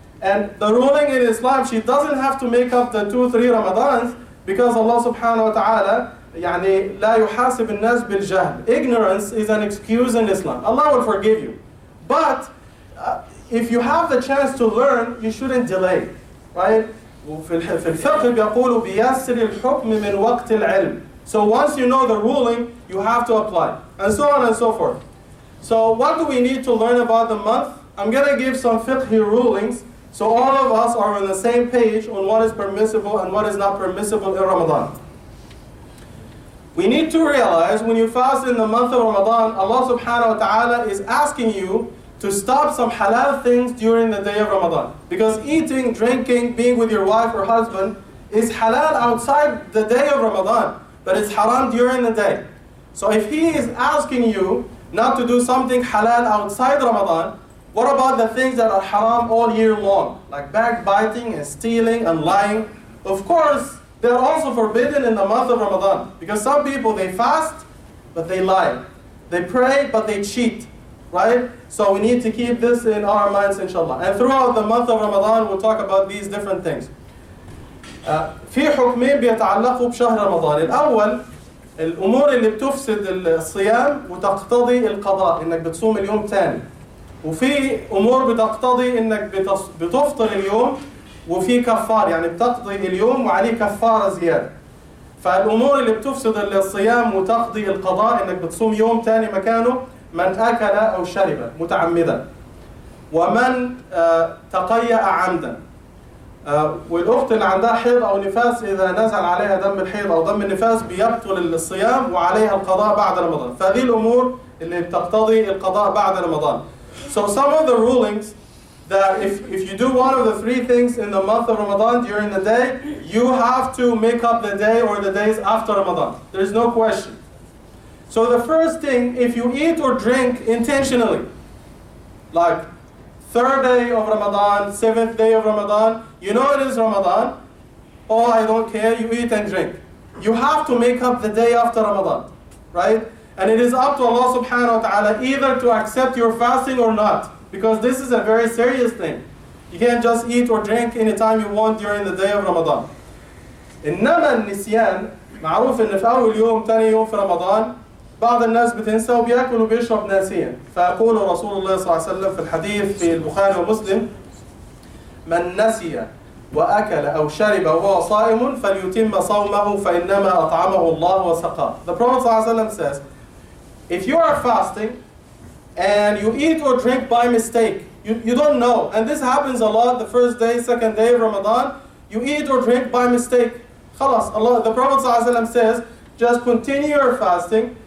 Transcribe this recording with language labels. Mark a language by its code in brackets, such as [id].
[en] And the ruling in Islam, she doesn't have to make up the 2-3 Ramadans because Allah subhanahu wa ta'ala, [ar] يعني, لا يحاسب الناس بالجهل. [en] Ignorance is an excuse in Islam. Allah will forgive you. But if you have the chance to learn, you shouldn't delay, right? [ar] في الفقه بيقولوا بيسر الحكم من وقت العلم. [en] So once you know the ruling, you have to apply. And so on and so forth. So what do we need to learn about the month? I'm going to give some fiqh rulings so all of us are on the same page on what is permissible and what is not permissible in Ramadan. We need to realize when you fast in the month of Ramadan, Allah subhanahu wa ta'ala is asking you to stop some halal things during the day of Ramadan. Because eating, drinking, being with your wife or husband is halal outside the day of Ramadan, but it's haram during the day. So if He is asking you not to do something halal outside Ramadan, what about the things that are haram all year long? Like backbiting and stealing and lying? Of course, they are also forbidden in the month of Ramadan. Because some people, they fast, but they lie. They pray, but they cheat. Right? So we need to keep this in our minds, inshallah. And throughout the month of Ramadan, we'll talk about these different things. [ar] في حكمين بيتعلقوا بشهر رمضان. الأول الأمور اللي بتفسد الصيام وتقتضي القضاء إنك بتصوم اليوم تاني. وفي أمور بتقتضي إنك بتفطر اليوم وفي كفار يعني بتقضي اليوم وعليه كفارة زيادة. فالأمور اللي بتفسد الصيام وتقضي القضاء إنك بتصوم يوم تاني مكانه من أكل أو شرب متعمدا ومن تقيأ عمدا. والأخت اللي عندها حيض أو نفاس إذا نزل عليها دم الحيض أو دم النفاس بيبطل الصيام وعليها القضاء بعد رمضان. فهذه الأمور اللي بتقتضي القضاء بعد رمضان. [en] So some of the rulings that if you do one of the three things in the month of Ramadan during the day, you have to make up the day or the days after Ramadan. There is no question. So the first thing, if you eat or drink intentionally, like third day of Ramadan, seventh day of Ramadan, you know it is Ramadan, oh, I don't care, you eat and drink. You have to make up the day after Ramadan, right? And it is up to Allah subhanahu wa ta'ala either to accept your fasting or not, because this is a very serious thing. You can't just eat or drink anytime you want during the day of Ramadan. [ar] إنما النسيان معروف إن في أول يوم تاني يوم في رمضان بعض الناس بتنسى وبيأكل وبيشرب ناسيا. فأقول رسول الله صلى الله عليه وسلم في الحديث في البخاري ومسلم من نسي وأكل أو شرب وهو صائم فليتم صومه فإنما أطعمه الله وسقى. [en] The Prophet صلى الله عليه وسلم says, if you are fasting and you eat or drink by mistake, you don't know, and this happens a lot the first day, second day of Ramadan, you eat or drink by mistake, خلاص, Allah, the Prophet صلى الله عليه وسلم says, just continue your fasting.